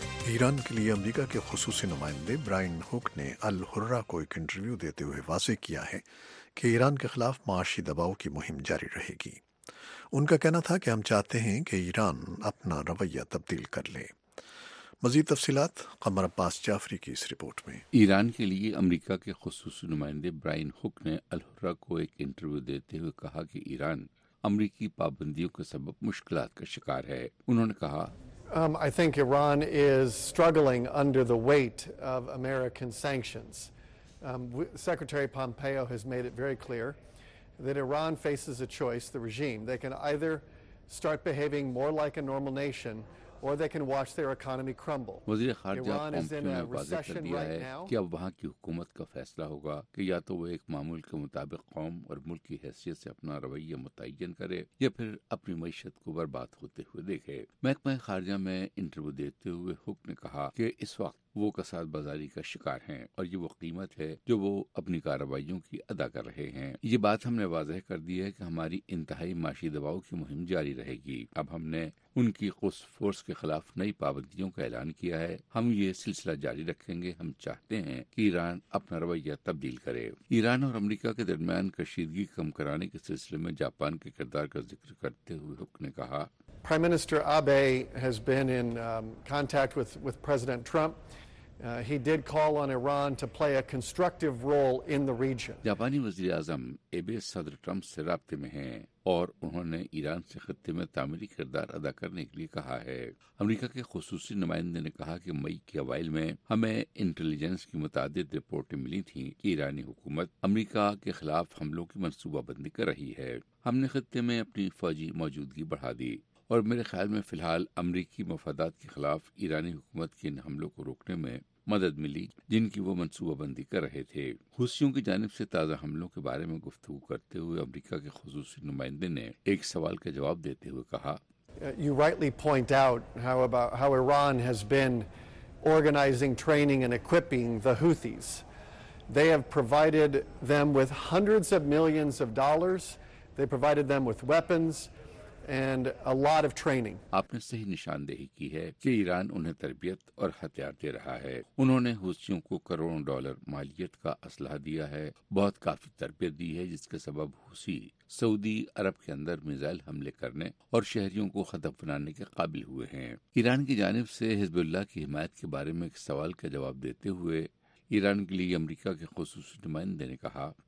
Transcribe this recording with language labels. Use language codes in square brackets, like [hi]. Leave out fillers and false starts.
[ur] ایران کے لیے امریکہ کے خصوصی نمائندے برائن ہوک نے الحرہ کو ایک انٹرویو دیتے ہوئے واضح کیا ہے کہ ایران کے خلاف معاشی دباؤ کی مہم جاری رہے گی۔ ان کا کہنا تھا کہ ہم چاہتے ہیں کہ ایران اپنا رویہ تبدیل کر لے۔ مزید تفصیلات قمر عباس جعفری کی اس رپورٹ میں۔ ایران کے لیے امریکہ کے خصوصی نمائندے برائن ہک نے الحرہ کو ایک انٹرویو دیتے ہوئے کہا کہ ایران امریکی پابندیوں کے سبب مشکلات کا شکار ہے۔ انہوں نے کہا، [en] I think Iran is struggling under the weight of American sanctions. Secretary Pompeo has made it very clear that Iran faces a choice, the regime. They can either start behaving more like a normal nation or they can watch their economy crumble. [ur] وزیر خارجہ Pompeo نے واضح کر دیا ہے کہ اب وہاں کی حکومت کا فیصلہ ہوگا کہ یا تو وہ ایک معمول کے مطابق قوم اور ملک کی حیثیت سے اپنا رویہ متعین کرے یا پھر اپنی معیشت کو برباد ہوتے ہوئے دیکھے۔ محکمہ خارجہ میں انٹرویو دیتے ہوئے ہک نے کہا کہ اس وقت وہ کساد بازاری کا شکار ہیں اور یہ وہ قیمت ہے جو وہ اپنی کارروائیوں کی ادا کر رہے ہیں۔ یہ بات ہم نے واضح کر دی ہے کہ ہماری انتہائی معاشی دباؤ کی مہم جاری رہے گی۔ اب ہم نے ان کی قدس فورس کے خلاف نئی پابندیوں کا اعلان کیا ہے۔ ہم یہ سلسلہ جاری رکھیں گے۔ ہم چاہتے ہیں کہ ایران اپنا رویہ تبدیل کرے۔ ایران اور امریکہ کے درمیان کشیدگی کم کرانے کے سلسلے میں جاپان کے کردار کا ذکر کرتے ہوئے ہک نے کہا، [en] Prime Minister Abe has been in contact with President Trump. He did call on Iran to play a constructive role in the region. [ur] جاپانی وزیر اعظم ایبے صدر ٹرمپ سے رابطے میں ہیں اور انہوں نے ایران سے خطے میں تعمیری کردار ادا کرنے کے لیے کہا ہے۔ امریکہ کے خصوصی نمائندے نے کہا کہ مئی کے اوائل میں ہمیں انٹیلیجنس کی متعدد رپورٹیں ملی تھیں کہ ایرانی حکومت امریکہ کے خلاف حملوں کی منصوبہ بندی کر رہی ہے۔ ہم نے خطے میں اپنی فوجی موجودگی بڑھا دی اور میرے خیال میں فی الحال امریکی مفادات کے خلاف ایرانی حکومت کے ان حملوں کو روکنے میں مدد ملی جن کی وہ منصوبہ بندی کر رہے تھے۔ حوثیوں کی جانب سے تازہ حملوں کے بارے میں گفتگو کرتے ہوئے امریکہ کے خصوصی نمائندے نے ایک سوال کا جواب دیتے ہوئے کہا، [en] You rightly point out how Iran has been organizing, training and equipping the Houthis. They have provided them with hundreds of millions of dollars. They provided them with weapons and a lot of training. [ur] آپ نے صحیح نشاندہی کی ہے کہ ایران انہیں تربیت اور ہتھیار دے رہا ہے۔ انہوں نے حوثیوں کو کروڑوں ڈالر مالیت کا اسلحہ دیا ہے، بہت کافی تربیت دی ہے، جس کے سبب حوثی سعودی عرب کے اندر میزائل حملے کرنے اور شہریوں کو ہدف بنانے کے قابل ہوئے ہیں۔ ایران کی جانب سے حزب اللہ کی حمایت کے بارے میں ایک سوال کا جواب دیتے ہوئے ایران کے لیے امریکہ کے خصوصی نمائندے نے کہا،